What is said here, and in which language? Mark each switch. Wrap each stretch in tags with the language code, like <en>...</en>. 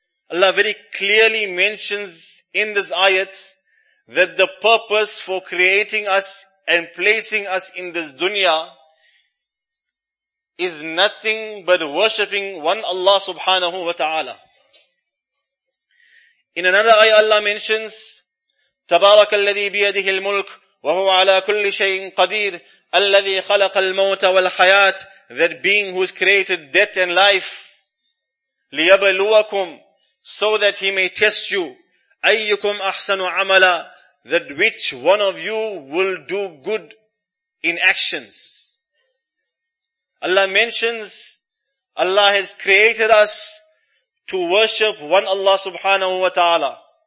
<en>Allah very clearly mentions in this ayat that the purpose for creating us and placing us in this dunya is nothing but worshipping one Allah subhanahu wa ta'ala. In another ayat Allah mentions,</en> <ar>تَبَارَكَ الَّذِي بِيَدِهِ الْمُلْكِ وَهُوَ عَلَىٰ كُلِّ شَيْءٍ قَدِيرٍ الَّذِي خَلَقَ الْمَوْتَ وَالْحَيَاةِ.</ar> <en>That being who has created death and life,</en> <ar>لِيَبَلُوَكُمْ,</ar> <en>so that He may test you,</en> <ar>أَيُّكُمْ أَحْسَنُ عَمَلًا,</ar> <en>that which one of you will do good in actions. Allah mentions, Allah has created us to worship one Allah subhanahu wa ta'ala.</en>